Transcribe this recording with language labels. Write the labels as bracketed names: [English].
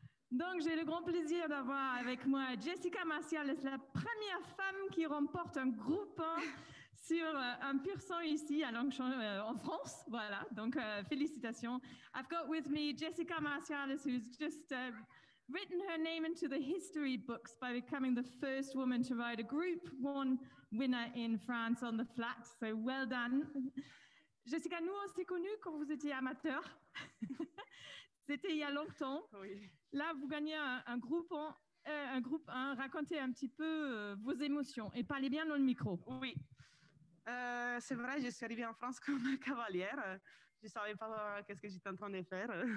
[French] Donc, j'ai le grand plaisir d'avoir avec moi Jessica Martial. C'est la première femme qui remporte un groupe 1 sur un pur sang ici à Longchamp, en France. Voilà. Donc, félicitations. [English] I've got with me Jessica Martial, who's just written her name into the history books by becoming the first woman to ride a Group 1 winner in France on the flat. So, well done. [French] Jessica, nous, on s'est connus quand vous étiez amateur. C'était il y a longtemps. Oui. Là, vous gagnez un groupe 1. Racontez un petit peu vos émotions et parlez bien dans le micro. Oui. C'est vrai, je suis arrivée en France comme cavalière. Je ne savais pas qu'est-ce que j'étais en train de faire.